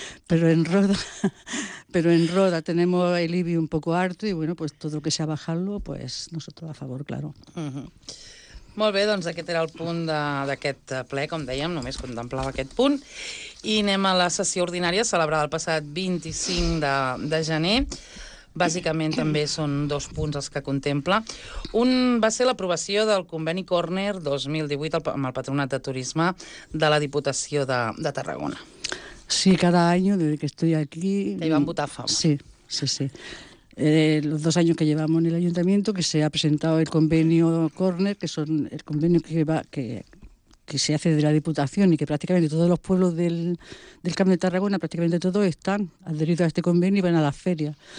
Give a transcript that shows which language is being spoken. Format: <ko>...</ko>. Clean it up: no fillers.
<es>Pero en Roda tenemos el IBI un poco harto y bueno, pues todo lo que sea bajarlo, pues nosotros a favor, claro. Uh-huh.</es> <ca>Molt bé, doncs aquest era el punt d'aquest ple, com dèiem, només contemplava aquest punt. I anem a la sessió ordinària, celebrada el passat 25 de gener. Bàsicament també són dos punts els que contempla. Un va ser l'aprovació del conveni Corner 2018 amb el Patronat de Turisme de la Diputació de Tarragona. Sí, cada any, des que estic aquí... T'hi van votar a favor. Sí, sí, sí.</ca> <es>Los dos años que llevamos en el ayuntamiento, que se ha presentado el convenio Corner, que son el convenio que se hace de la Diputación y que prácticamente todos los pueblos del Camp de Tarragona, prácticamente todos, están adheridos a este convenio y van a la feria.</es>